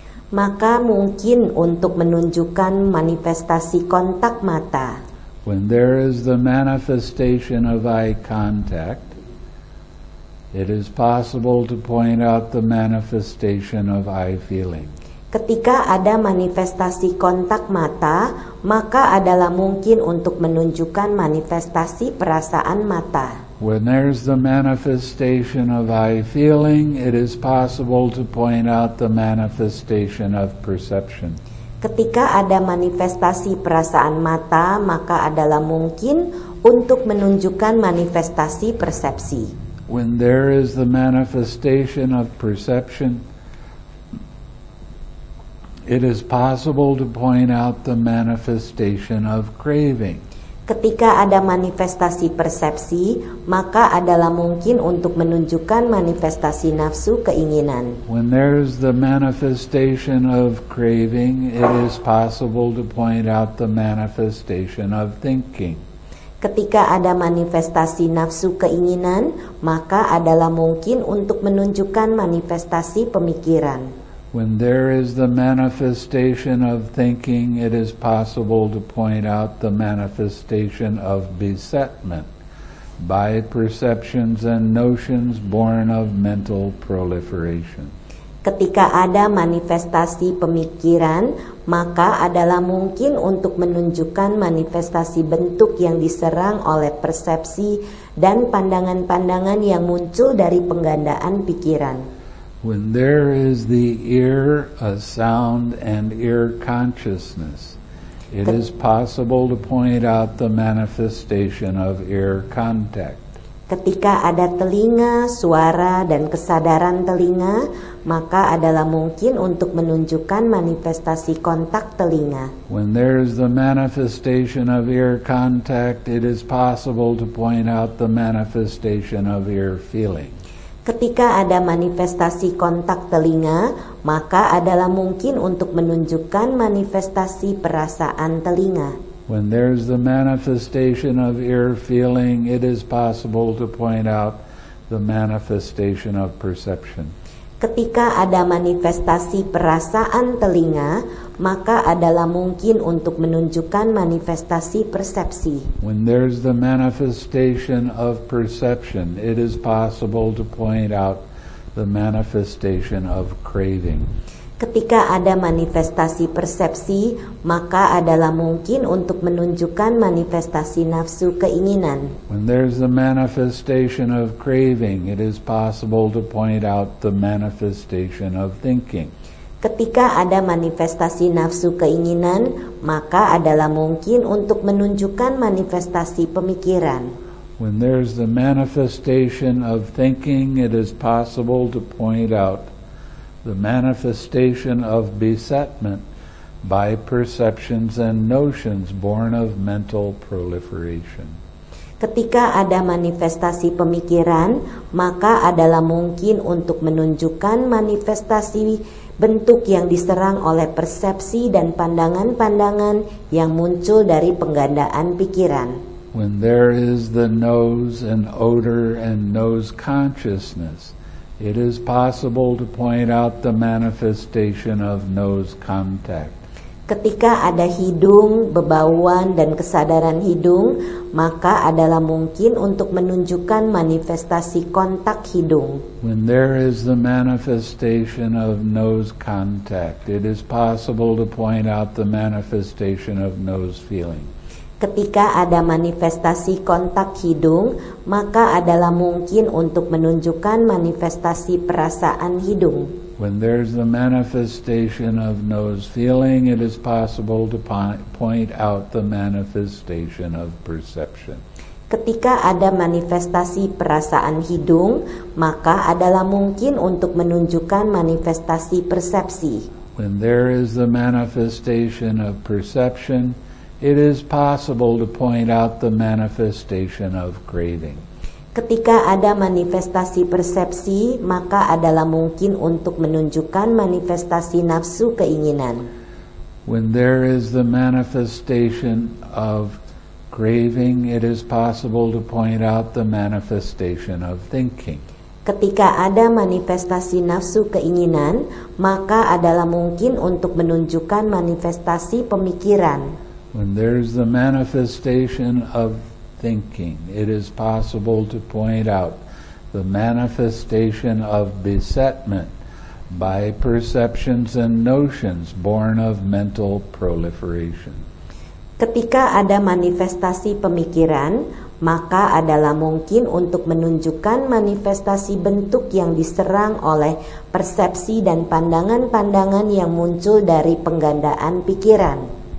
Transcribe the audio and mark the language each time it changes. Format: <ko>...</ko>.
<id>Maka mungkin untuk menunjukkan manifestasi kontak mata.</id> <en>When there is the manifestation of eye contact, it is possible to point out the manifestation of eye feeling.</en> <id>Ketika ada manifestasi kontak mata, maka adalah mungkin untuk menunjukkan manifestasi perasaan mata.</id> <en>When there's the manifestation of eye feeling, it is possible to point out the manifestation of perception.</en> <id>Ketika ada manifestasi perasaan mata, maka adalah mungkin untuk menunjukkan manifestasi persepsi.</id> <en>When there is the manifestation of perception, it is possible to point out the manifestation of craving.</en> <id>Ketika ada manifestasi persepsi, maka adalah mungkin untuk menunjukkan manifestasi nafsu keinginan.</id> <en>When there is the manifestation of craving, it is possible to point out the manifestation of thinking.</en> <id>Ketika ada manifestasi nafsu keinginan, maka adalah mungkin untuk menunjukkan manifestasi pemikiran.</id> <en>When there is the manifestation of thinking, it is possible to point out the manifestation of besetment by perceptions and notions born of mental proliferation.</en> <id>Ketika ada manifestasi pemikiran, maka adalah mungkin untuk menunjukkan manifestasi bentuk yang diserang oleh persepsi dan pandangan-pandangan yang muncul dari penggandaan pikiran.</id> <en>When there is the ear, a sound, and ear consciousness, it is possible to point out the manifestation of ear contact.</en> <id>Ketika ada telinga, suara, dan kesadaran telinga, maka adalah mungkin untuk menunjukkan manifestasi kontak telinga.</id> <en>When there is the manifestation of ear contact, it is possible to point out the manifestation of ear feeling.</en> <id>Ketika ada manifestasi kontak telinga, maka adalah mungkin untuk menunjukkan manifestasi perasaan telinga.</id> <en>When there's the manifestation of ear feeling, it is possible to point out the manifestation of perception.</en> <id>Ketika ada manifestasi perasaan telinga, maka adalah mungkin untuk menunjukkan manifestasi persepsi.</id> <en>When there's the manifestation of perception, it is possible to point out the manifestation of craving.</en> <id>Ketika ada manifestasi persepsi, maka adalah mungkin untuk menunjukkan manifestasi nafsu keinginan.</id> <en>When there's the manifestation of craving, it is possible to point out the manifestation of thinking.</en> <id>Ketika ada manifestasi nafsu keinginan, maka adalah mungkin untuk menunjukkan manifestasi pemikiran.</id> <en>When there's the manifestation of thinking, it is possible to point out the manifestation of besetment by perceptions and notions born of mental proliferation.</en> <id>Ketika ada manifestasi pemikiran, maka adalah mungkin untuk menunjukkan manifestasi bentuk yang diserang oleh persepsi dan pandangan-pandangan yang muncul dari penggandaan pikiran.</id> <en>When there is the nose and odor and nose consciousness, it is possible to point out the manifestation of nose contact.</en> <id>Ketika ada hidung, bebauan, dan kesadaran hidung, maka adalah mungkin untuk menunjukkan manifestasi kontak hidung.</id> <en>When there is the manifestation of nose contact, it is possible to point out the manifestation of nose feeling.</en> <id>Ketika ada manifestasi kontak hidung, maka adalah mungkin untuk menunjukkan manifestasi perasaan hidung.</id> <en>When there's the manifestation of nose feeling, it is possible to point out the manifestation of perception.</en> <id>Ketika ada manifestasi perasaan hidung, maka adalah mungkin untuk menunjukkan manifestasi persepsi.</id> <en>When there is the manifestation of perception, it is possible to point out the manifestation of craving.</en> <id>Ketika ada manifestasi persepsi, maka adalah mungkin untuk menunjukkan manifestasi nafsu keinginan.</id> <en>When there is the manifestation of craving, it is possible to point out the manifestation of thinking.</en> <id>Ketika ada manifestasi nafsu keinginan, maka adalah mungkin untuk menunjukkan manifestasi pemikiran.</id> <en>When there is the manifestation of thinking, it is possible to point out the manifestation of besetment by perceptions and notions born of mental proliferation.</en> <id>Ketika ada manifestasi pemikiran, maka adalah mungkin untuk menunjukkan manifestasi bentuk yang diserang oleh persepsi dan pandangan-pandangan yang muncul dari penggandaan pikiran.</id>